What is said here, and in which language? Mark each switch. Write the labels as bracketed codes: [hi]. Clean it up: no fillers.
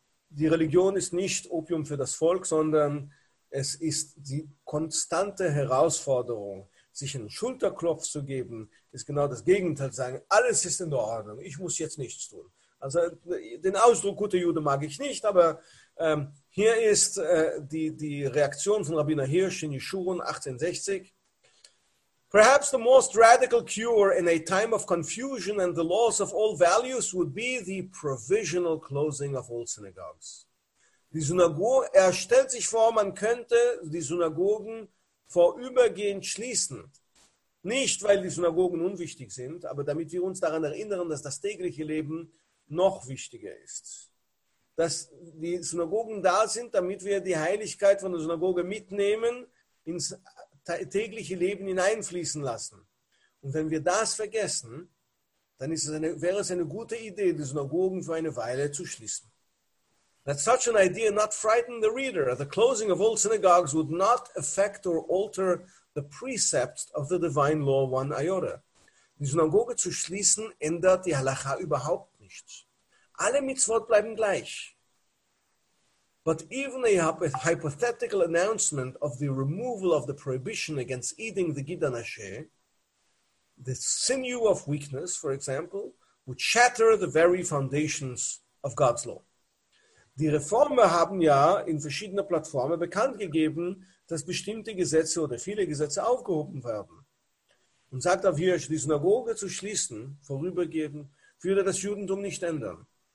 [de] Die Religion ist nicht Opium für das Volk, sondern es ist die konstante Herausforderung, sich einen Schulterklopf zu geben, ist genau das Gegenteil, sagen, alles ist in Ordnung, ich muss jetzt nichts tun. Also den Ausdruck guter Jude mag ich nicht, aber hier ist die Reaktion von Rabbiner Hirsch in Yeshurun 1860. [en] Perhaps the most radical cure in a time of confusion and the loss of all values would be the provisional closing of all synagogues. [de] Die Synagoge, er stellt sich vor, man könnte die Synagogen vorübergehend schließen. Nicht, weil die Synagogen unwichtig sind, aber damit wir uns daran erinnern, dass das tägliche Leben noch wichtiger ist. Dass die Synagogen da sind, damit wir die Heiligkeit von der Synagoge mitnehmen, ins tägliche Leben hineinfließen lassen. Und wenn wir das vergessen, dann wäre es eine gute Idee, die Synagogen für eine Weile zu schließen. [en] That such an idea not frighten the reader, the closing of all synagogues would not affect or alter the precepts of the divine law one iota. [de] Die Synagoge zu schließen ändert die Halacha überhaupt nicht. Alle Mitzvot bleiben gleich. [en] But even a hypothetical announcement of the removal of the prohibition against eating the Gidan Asher, the sinew of weakness, for example, would shatter the very foundations of God's law. [de] Die Reformer haben ja in verschiedenen Plattformen bekannt gegeben, dass bestimmte Gesetze oder viele Gesetze aufgehoben werden. Und sagt auf Hirsch, die Synagoge zu schließen, vorübergehend, würde das Judentum nicht ändern.